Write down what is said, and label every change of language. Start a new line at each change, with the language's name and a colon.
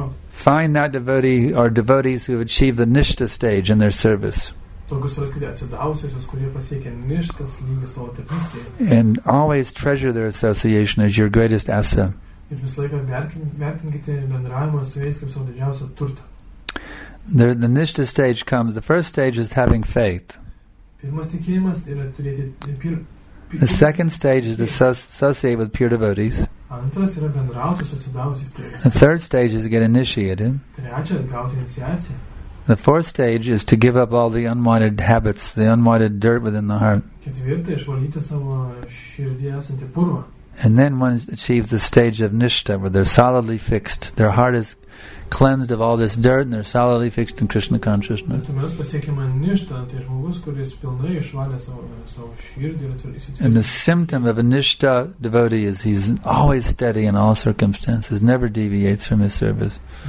English: Find that devotee or devotees who have achieved the nishta stage in their service. And always treasure their association as your greatest asset.
Lithuanian: Ir visą laiką vertinkite bendravimą su jais kaip savo didžiausią turtą.
English: The nishta stage comes. The first stage is having faith.
Lithuanian: Pirmas tikėjimas yra turėti
English: The second stage is to associate with pure devotees.
Lithuanian: Antras yra bendrauti su atsidavusiais.
English: The third stage is to get initiated.
Lithuanian: Trečia, gauti iniciaciją.
English: The fourth stage is to give up all the unwanted habits, the unwanted dirt within the heart.
Lithuanian: Ketvirta, išvalyti savo širdį esantį purvą.
English: And then one achieves the stage of nishta, where they're solidly fixed. Their heart is cleansed of all this dirt, and they're solidly fixed in Krishna consciousness. And the symptom of a nishta devotee is he's always steady in all circumstances, never deviates from his service.